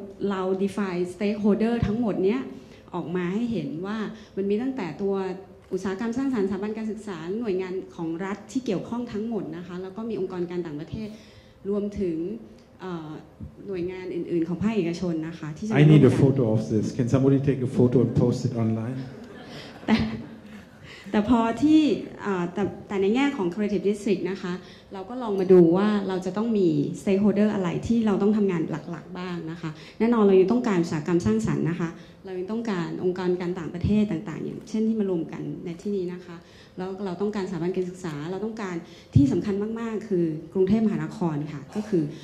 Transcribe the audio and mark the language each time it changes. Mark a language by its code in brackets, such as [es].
[th] เรา define stakeholder ทั้งหมดเนี้ยออกมาให้เห็นว่ามันมีตั้งแต่ตัวอุตสาหกรรมสร้างสรรค์สถาบันการศึกษาหน่วยงานของรัฐที่เกี่ยวข้องทั้งหมดนะคะแล้วก็มีองค์กรการต่างประเทศรวมถึงหน่วยงานอื่นๆของภาคเอกชนนะคะที่จะ [en] I need a photo of this can somebody take a photo and post it online [th] แต่พอที่แต่ในแง่ของ Creative District นะคะเราก็ลองมาดูว่าเราจะต้องมี stakeholder อะไรที่เราต้องทำงานหลักๆบ้างนะคะแน่นอนเรายังต้องการอุตสาหกรรมสร้างสรรค์นะคะเรายังต้องการองค์กรการต่างประเทศต่างๆอย่างเช่นที่มารวมกันในที่นี้นะคะแล้วเราต้องการสถาบันการศึกษาเราต้องการที่สำคัญมากๆคือกรุงเทพมหานครค่ะก็คือ